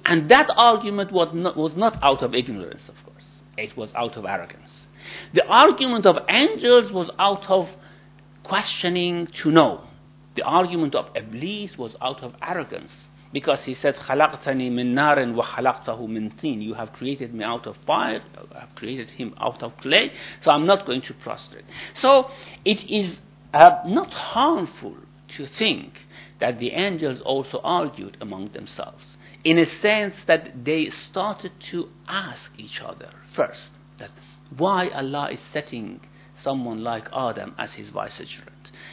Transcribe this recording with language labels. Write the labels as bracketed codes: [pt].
[en] And that argument was not out of ignorance, of course. It was out of arrogance. The argument of angels was out of questioning to know. The argument of Iblis was out of arrogance. Because he said, [ar] خَلَقْتَنِي مِن نَارٍ وَخَلَقْتَهُ مِن تِينٍ. [en] You have created me out of fire. I have created him out of clay. So I'm not going to prostrate. So it is not harmful to think that the angels also argued among themselves, in a sense that they started to ask each other first, that why Allah is setting someone like Adam as his vicegerent.